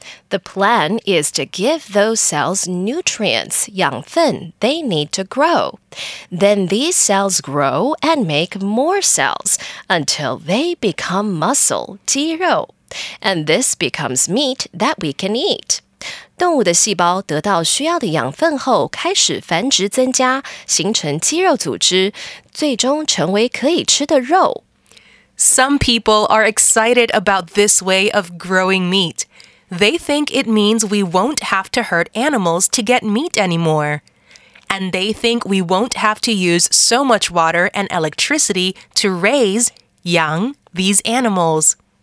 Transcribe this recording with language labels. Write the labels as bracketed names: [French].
[English] The plan is to give those cells nutrients, 养分, they need to grow. Then these cells grow and make more cells until they become muscle, 肌肉. And this becomes meat that we can eat. [Chinese] 动物的细胞得到需要的养分后开始繁殖增加,形成肌肉组织,最终成为可以吃的肉. [English] Some people are excited about this way of growing meat. They think it means we won't have to hurt animals to get meat anymore. And they think we won't have to use so much water and electricity to raise, 养, these animals.